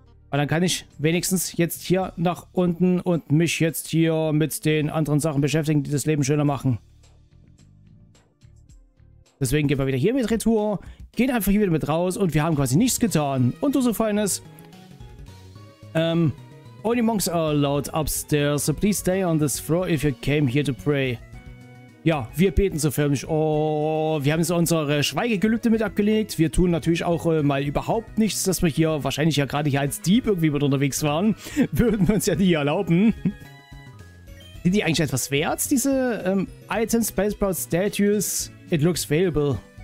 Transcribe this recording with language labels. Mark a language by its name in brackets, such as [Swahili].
[German] Weil dann kann ich wenigstens jetzt hier nach unten und mich jetzt hier mit den anderen Sachen beschäftigen, die das Leben schöner machen. Deswegen gehen wir wieder hier mit Retour, gehen einfach hier wieder mit raus und wir haben quasi nichts getan. Und du so feines. [English] Only monks are allowed upstairs, so please stay on this floor if you came here to pray. [German] Ja, wir beten so förmlich. Oh, wir haben jetzt unsere Schweigegelübde mit abgelegt. Wir tun natürlich auch mal überhaupt nichts, dass wir hier wahrscheinlich ja gerade hier als Dieb irgendwie mit unterwegs waren. Würden wir uns ja nie erlauben. Sind die eigentlich etwas wert, diese Items, Bellsprout Statues? [English] It looks valuable.